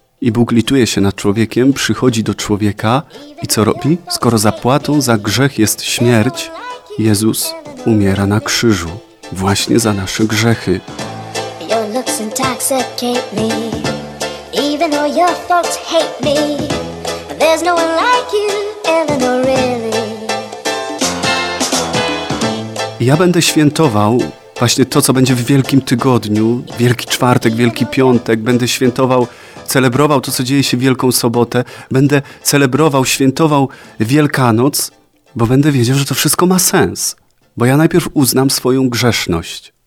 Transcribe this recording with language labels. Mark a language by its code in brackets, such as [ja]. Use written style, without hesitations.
[pl] I Bóg lituje się nad człowiekiem, przychodzi do człowieka i co robi? Skoro zapłatą za grzech jest śmierć, Jezus umiera na krzyżu. Właśnie za nasze grzechy. [en] Your looks intoxicate me. Even though your folks hate me, there's no one like you, Eleanor, really. [pl] Ja będę świętował właśnie to, co będzie w Wielkim Tygodniu, Wielki Czwartek, Wielki Piątek, będę świętował, celebrował to, co dzieje się w Wielką Sobotę, będę celebrował, świętował Wielkanoc, bo będę wiedział, że to wszystko ma sens, bo ja najpierw uznam swoją grzeszność.